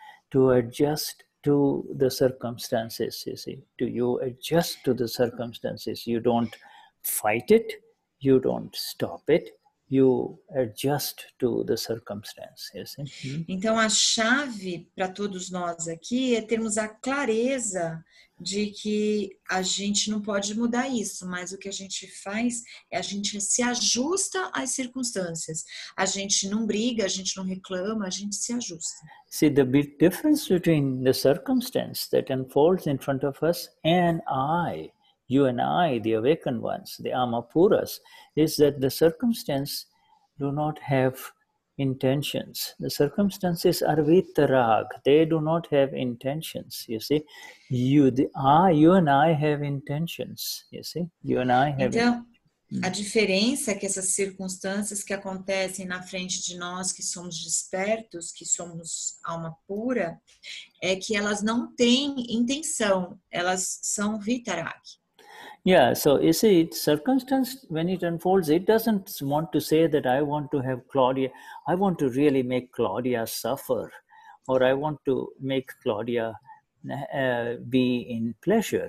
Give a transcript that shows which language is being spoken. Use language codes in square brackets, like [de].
[en] to adjust to the circumstances, you see. Do you adjust to the circumstances? You don't fight it, you don't stop it, you adjust to the circumstances, you see. [pt] Então a chave para todos nós aqui é termos a clareza de que a gente não pode mudar isso, mas o que a gente faz é a gente se ajusta às circunstâncias. A gente não briga, a gente não reclama, a gente se ajusta. [en] See, the big difference between the circumstance that unfolds in front of us and I, you and I, the awakened ones, the Amapuras, is that the circumstance do not have intentions. The circumstances are vitarag. They do not have intentions, you see. You and I have intentions, you see. You and I have [pt] A diferença é que essas circunstâncias que acontecem na frente de nós, que somos despertos, que somos alma pura, é que elas não têm intenção, elas são vitarag. [en] Yeah, so you see, it's circumstance, when it unfolds, it doesn't want to say that I want to have Claudia, I want to really make Claudia suffer, or I want to make Claudia be in pleasure.